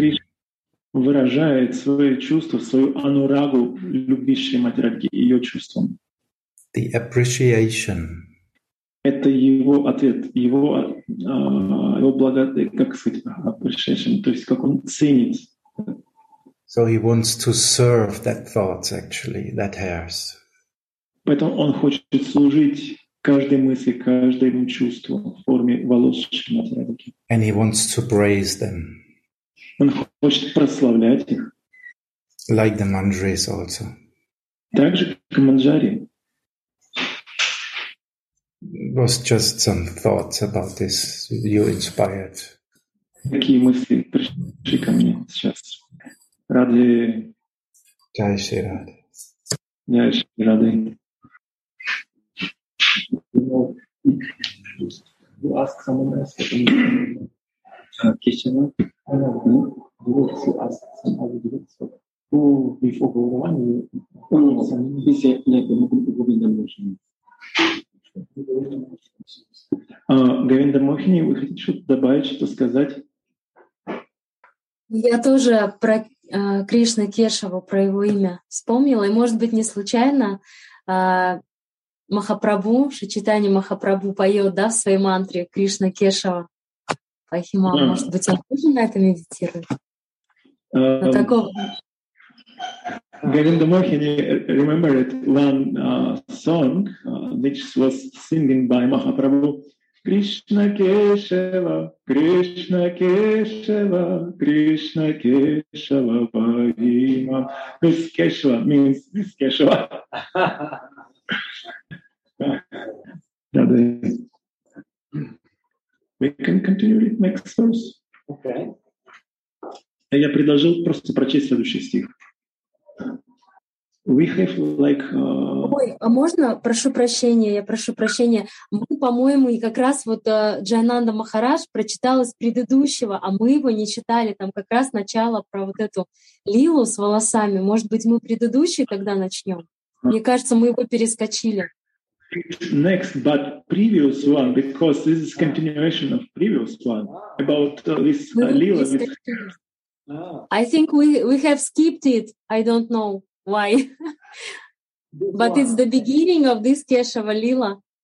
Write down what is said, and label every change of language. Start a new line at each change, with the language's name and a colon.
Russian: Кришна выражает свои чувства, свою анурагу любви Шримати Радхи, ее чувством.
English: The appreciation.
Russian: Это его ответ, его, его благодарность, как сказать, appreciation, то есть как он ценит.
English: So he wants to serve that thought, actually, that hairs.
Russian: Поэтому он хочет служить каждой мысли, каждому чувству в форме волос Шримати Радхи.
English: And he wants to praise them.
Russian: Он хочет прославлять их.
English: Like the Manjaris also.
Russian: Так же, как и Манджари.
English: Was just some thoughts about this you inspired.
Russian: Какие мысли пришли ко мне сейчас? Рады. Чай ши рады. Я ши рады.
English: You ask someone else a question.
Russian: Говинда Мохини, вы хотите что-то добавить, что-то сказать? Я тоже про Кришну Кешаву, про его имя вспомнила. И, может быть, не случайно Махапрабху, Шичитани Махапрабху поет, да, в своей мантре Кришна Кешава. Пахима, да. Может быть, он тоже на это медитирует?
English: Govinda Mohini remembered one song which was singing by Mahaprabhu. Krishna Keshava, Krishna Keshava, Krishna Keshava Pahima. This Keshava means this Keshava. We can continue with next verse. Okay.
Russian: Я предложил просто прочесть следующий стих.
English: We have like.
Russian: Ой, а можно? Прошу прощения, я прошу прощения. Мы, по-моему, и как раз вот Джайнанда Махарадж прочитал из предыдущего, а мы его не читали. Там как раз начало про вот эту лилу с волосами. Может быть, мы предыдущий тогда начнем? Мне кажется, мы его перескочили.
English: Next, but previous one, because this is continuation of previous one about this lila. I think we have skipped it. I don't know why, but it's the beginning of this Keshava lila.